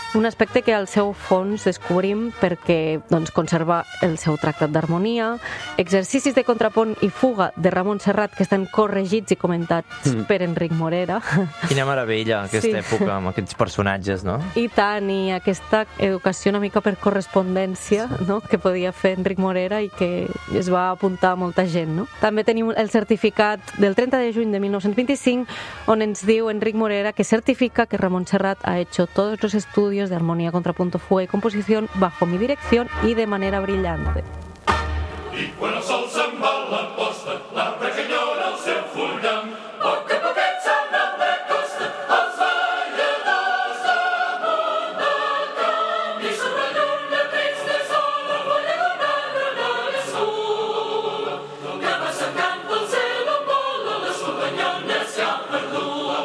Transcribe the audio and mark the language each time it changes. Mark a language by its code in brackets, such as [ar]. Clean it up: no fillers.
[ca] Un aspecte que al seu fons descobrim perquè doncs, conserva el seu tractat d'harmonia, exercicis de contrapunt i fuga de Ramon Serrat que estan corregits i comentats per Enric Morera. Quina meravella aquesta època amb aquests personatges, no? I tant, i aquesta educació una mica per correspondència no? que podia fer Enric Morera i que es va apuntar a molta gent. No? També tenim el certificat del 30 de juny de 1925 on ens diu Enric Morera que certifica que Ramon Serrat [es] ha hecho todos los estudios de armonía, contrapunto, fuga y composición bajo mi dirección y de manera brillante. [ca] I quan el sol se'n va a la posta, l'arbre que llora el seu fullam, poc a poquet se'n va a la costa, els balladors damunt del camp, i sobre llum de trins de sol, el volle d'un arbre de l'escut, que va cercant el cel on vola, l'escut d'anyona s'hi ha perdut.